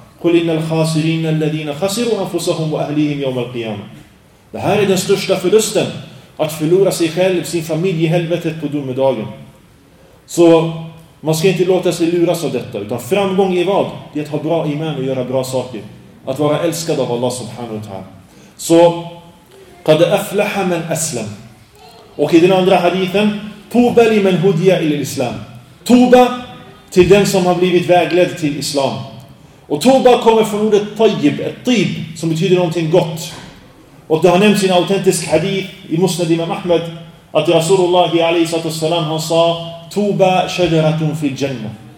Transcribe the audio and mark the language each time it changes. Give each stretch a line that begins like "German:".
Arabic: قُلْ إِنَّ الْخَاسِرِينَ الَّذِينَ خَسِرُوا أَنفُسَهُمْ وَأَهْلِهِمْ يَوْمَ الْقِيَامَةِ.
Swedish: Det här är den största förlusten. Att förlora sig själv, sin familj i helvetet på domedagen. Så man ska inte låta sig luras av detta. Utan framgång i vad? Det är att ha bra iman och göra bra saker. Att vara älskad av Allah subhanahu wa ta'ala.
Arabic: Så قَدْ أَفْلَحَ مَنْ أَسْلَمْ.
Swedish: Och i den andra hadithen,
Arabic: طُوبَ لِمَنْ هُدِيَ إِلِ الْإِسْلَمْ.
Swedish: Tuba till den som har blivit vägledd till islam. Och tuba kommer från ordet tayyib, ett tib, som betyder någonting gott. Och det har nämnts i en autentisk hadith i Musnad Imam Ahmad att Rasulullah alaihissalam han sa
Arabic: tuba shajaratun fil jannah.